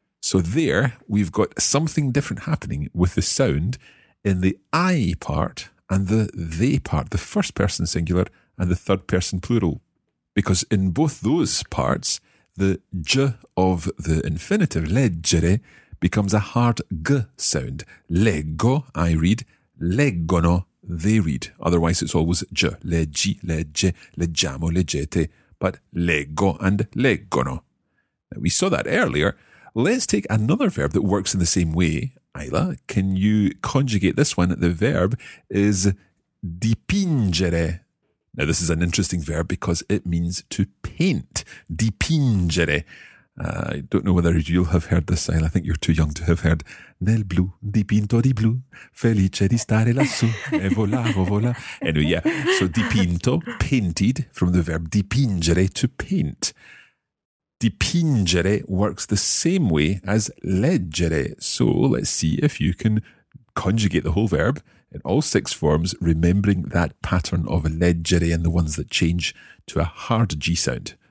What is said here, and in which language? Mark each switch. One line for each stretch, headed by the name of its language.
English: So there we've got something different happening with the sound in the I part and the they part, the first person singular and the third person plural. Because in both those parts, the j of the infinitive, leggere, becomes a hard g sound. Leggo, I read. Leggono. They read. Otherwise, it's always G.
Italian: Leggi, legge, leggiamo, leggete.
English: But leggo and leggono. Now, we saw that earlier. Let's take another verb that works in the same way. Ayla, can you conjugate this one? The verb is dipingere. Now, this is an interesting verb because it means to paint. Dipingere. I don't know whether you'll have heard this, Sahil. I think you're too young to have heard.
Italian: Nel blu, dipinto di blu, felice di stare lassù, e volavo, vola.
English: Anyway, yeah. So dipinto, painted, from the verb dipingere, to paint. Dipingere works the same way as leggere. So let's see if you can conjugate the whole verb in all six forms, remembering that pattern of leggere and the ones that change to a hard G sound.